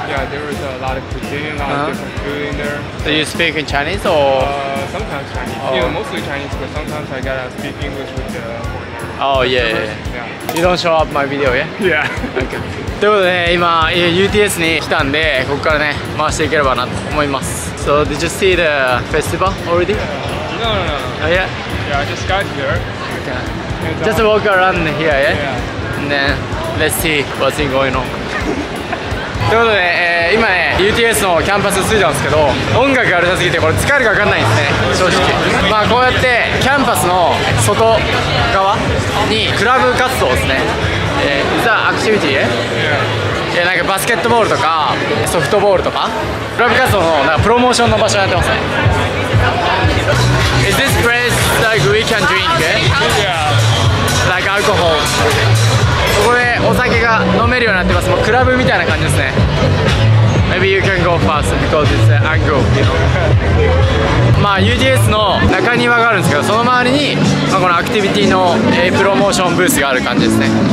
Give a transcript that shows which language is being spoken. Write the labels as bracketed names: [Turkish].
[English] Yeah, there is a lot of cuisine, a lot of different food in there. So you speak in Chinese or? Sometimes Chinese. Oh. Yeah, mostly Chinese, but sometimes I gotta speak English with the Oh, yeah, yeah, yeah. You don't show up my video, yeah? Yeah. Okay. [Japanese] ということで、今 UTS に来たんで、ここからね、回していければなと思います。 [English] So, did you see the festival already? No, no, no. Not yet? Yeah, I just got here. Okay. Just walk around here, yeah? Yeah. And then, let's see what's going on. [Japanese] ということで、今ね、UTS のキャンパスに着いたんですけど、音楽がうるさすぎてこれ使えるか分かんないんですね、正直。まあこうやってキャンパスの外側にクラブ活動ですね、ザ・アクティビティ、なんかバスケットボールとかソフトボールとかクラブ活動のなんかプロモーションの場所になってますね。 [English] Is this place like we can drink? Like alcohol? [Japanese] ここでお酒が飲めるようになってます。もうクラブみたいな感じですね。 [English] Maybe you can go first because it's an angle, you know. [Japanese] まあ UTS の中庭があるんですけど、その周りに、まあ、このアクティビティのプロモーションブースがある感じですね。